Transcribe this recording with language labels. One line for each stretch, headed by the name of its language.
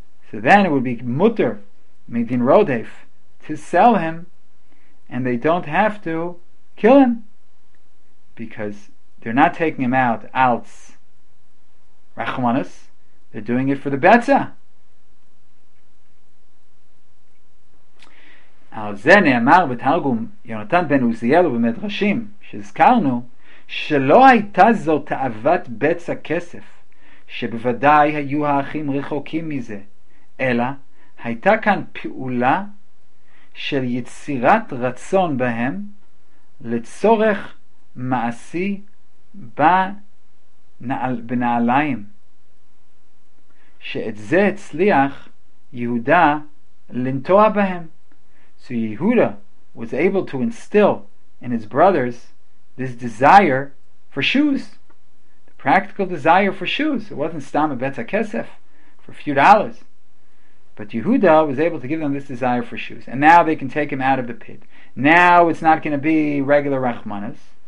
English: So then it would be Mutar Midin Rodef to sell him, and they don't have to kill him because they're not taking him out Alts Rachmanus, they're doing it for the Betza.
Hebrew: על זה נאמר בתרגום יונתן בן עוזיאל ובמדרשים שהזכרנו שלא הייתה זו תאוות בצע כסף שבוודאי היו האחים רחוקים מזה אלא הייתה כאן פעולה של יצירת רצון בהם לצורך מעשי בנעליים שאת זה הצליח יהודה לנטוע בהם.
English: So Yehuda was able to instill in his brothers this desire for shoes, the practical desire for shoes. It wasn't stam betza kesef, for a few dollars. But Yehuda was able to give them this desire for shoes. And now they can take him out of the pit. Now it's not going to be regular rachmanas.